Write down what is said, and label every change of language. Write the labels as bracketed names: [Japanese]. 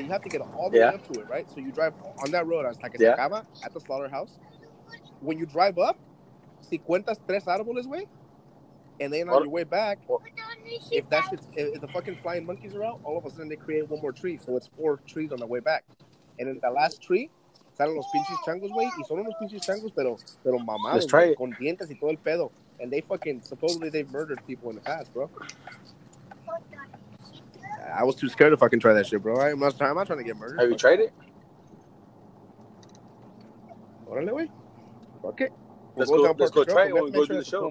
[English] You have to get all the way up to it, right? So you drive on that road hasta que se acaba at the slaughterhouse. When you drive up, si cuentas tres árboles, güey, and then on your way back, if the fucking flying monkeys are out, all of a sudden they create one more tree, so it's 4 trees on the way back, and then the last tree. [Spanish] Salen los pinches changos, güey, y son unos pinches changos, pero mamados, con dientes y todo el pedo. [English] And they fucking, supposedly they've murdered people in the past, bro. I was too scared to fucking try that shit, bro. I'm not trying to get murdered. Have you tried it? [Spanish] Órale, güey. Fuck it. [English] Let's go try it when we go to the show.